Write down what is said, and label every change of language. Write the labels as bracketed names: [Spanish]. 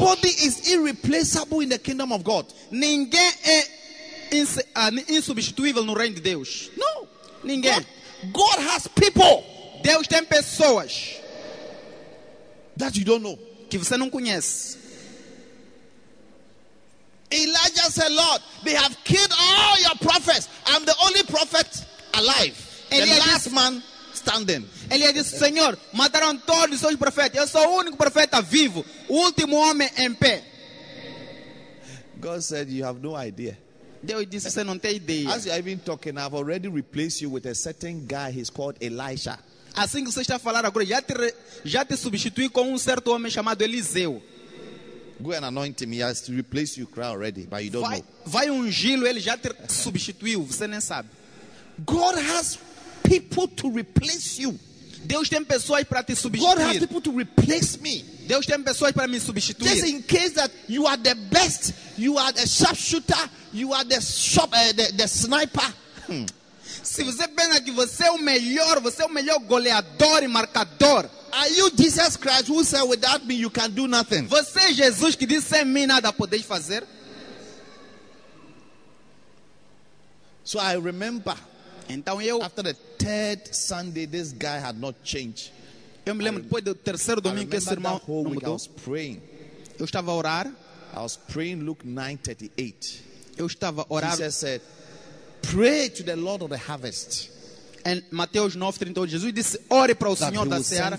[English] Nobody is irreplaceable in the kingdom of God. [Portuguese] Ninguém é insubstituível no reino de Deus. [English] No. [Portuguese] Ninguém. [English] God has people. [Portuguese] Deus tem pessoas [English] that you don't know. [Portuguese] Que você não conhece. [English] Elijah said, Lord, they have killed all your prophets. I'm the only prophet alive. [Portuguese] Elias [English] the last man standing. [Portuguese] Elijah disse, Senhor, mataram todos os profetas. Eu sou o único profeta vivo. O último homem em pé. [English] God said, you have no idea. [Portuguese] Deus disse, você não tem ideia. [English] As you have been talking, I've already replaced you with a certain guy. He's called Elisha. [Portuguese] Assim que você está a falar agora, já te substituí com certo homem chamado Eliseu. [English] Go and anoint him. He has to replace you cry already, but you don't [Portuguese] vai, [English] know. [Portuguese] Vai ungilo, ele já te substituiu, você nem sabe. [English] God has people to replace you. [Portuguese] Deus tem pessoas para te substituir. [English] God has people to replace me. [Portuguese] Deus tem pessoas para me substituir. [English] Just in case that you are the best, you are the sharpshooter, you are the sniper. [Portuguese] Se você pensa que você é o melhor goleador e marcador. [English] Are you Jesus Christ who said without me you can do nothing? [Portuguese] Você é Jesus que disse sem mim nada podeis fazer? [English] So I remember. [Portuguese] Então eu, [English] after the third Sunday this guy had not changed. [Portuguese] Eu me lembro depois do terceiro domingo que esse irmão não mudou. [English] I was praying. [Portuguese] Eu estava a orar. [English] I was praying Luke 9:38. [Portuguese] Eu estava a orar. [English] Jesus said, pray to the Lord of the harvest. [Portuguese] Em Mateus 9:38, Jesus disse: ore para o Senhor da seara.